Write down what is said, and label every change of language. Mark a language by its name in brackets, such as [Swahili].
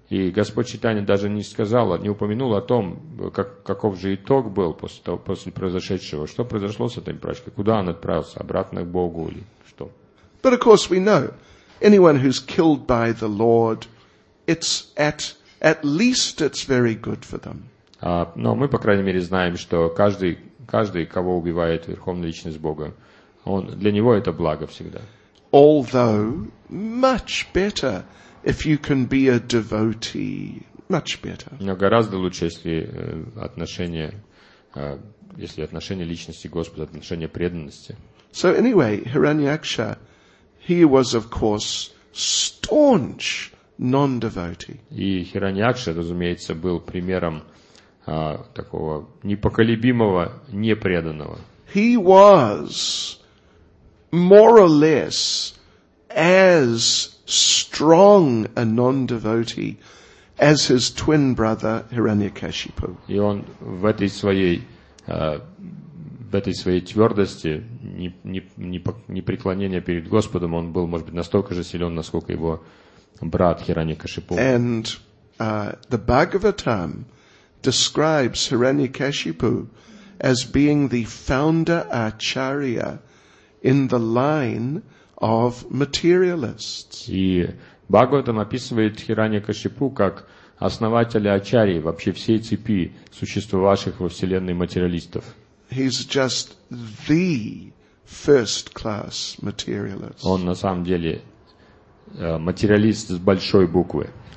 [Russian] И Господь Чайтанья даже не сказал, не упомянул о том, каков же итог был после того, после произошедшего. Что произошло с этой прачкой? Куда он отправился? Обратно к Богу или что? [English] But of course we know, anyone who's killed by the Lord, it's at least it's very good for them. [Russian] Но мы, по крайней мере, знаем, что каждый, кого убивает Верховная Личность Бога, он, для него это благо всегда. [English] Although much better if you can be a devotee, much better. [Russian] Но гораздо лучше, если отношение, если отношение личности Господа, отношение преданности. [English] So anyway, Hiranyaksha, he was of course staunch non-devotee. [Russian] И Хираньякша, разумеется, был примером такого непоколебимого непреданного. [English] He was more or less as strong a non-devotee as his twin brother Hiranyakashipu. [Russian] И он в этой своей твердости, не преклонения перед Господом, он был, может быть, настолько же силен, насколько его брат Хиранякашипу. [English] And the Bhagavatam describes Hiranyakashipu as being the founder acharya in the line of materialists. [Russian] И Бхагаватам описывает Хиранякашипу как основателя ачарьи, вообще всей цепи существовавших во вселенной материалистов. [English] He's just the first-class materialist. [Russian] Он на самом деле материалист с большой буквы.